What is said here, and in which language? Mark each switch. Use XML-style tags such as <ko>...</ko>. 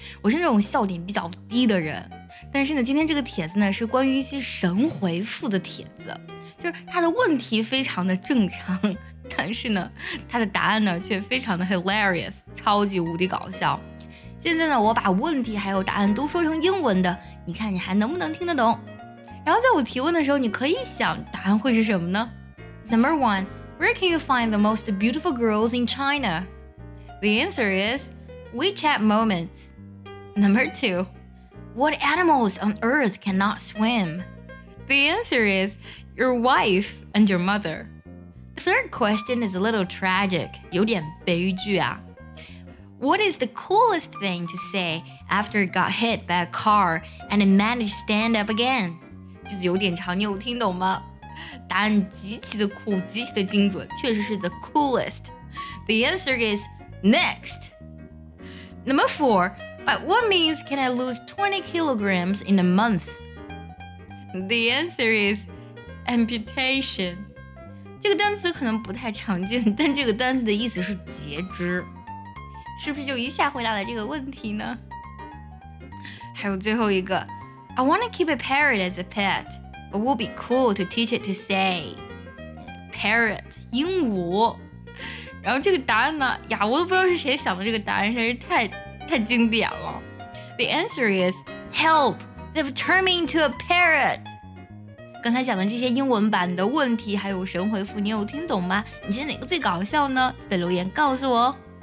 <zh>我是那种笑点比较低的人，但是呢，今天这个帖子呢是关于一些神回复的帖子，就是他的问题非常的正常，但是呢，他的答案呢却非常的</zh> <en>hilarious，</en> <zh>超级无敌搞笑。现在呢，我把问题还有答案都说成英文的，你看你还能不能听得懂？然后在我提问的时候，你可以想答案会是什么呢？</zh> <en>Number one, where can you find the most beautiful girls in China? The answer is WeChat Moments. Number two, what animals on earth cannot swim? The answer is your wife and your mother. The third question is a little tragic,</en> <zh>有点悲剧啊。</zh> <en>What is the coolest thing to say after it got hit by a car and it managed to stand up again?</en> <zh>句子有点长，你有听懂吗？答案极其的酷，极其的精准，确实是</zh> <en>the coolest. The answer is next. Number four, by what means can I lose 20 kilograms in a month? The answer is amputation.</en> <zh>这个单词可能不太常见，但这个单词的意思是截肢。是不是就一下回答了这个问题呢？还有最后一个，</zh> <en>I want to keep a parrot as a pet. It would be cool to teach it to say parrot,</en> <zh>鹦鹉。然后这个答案呢，呀，我都不知道是谁想的这个答案，真是太经典了。</zh> <en>The answer is help, they've turned me into a parrot.</en> <zh>刚才讲的这些英文版的问题还有神回复，你有听懂吗？你觉得哪个最搞笑呢？就在留言告诉我哦。</zh>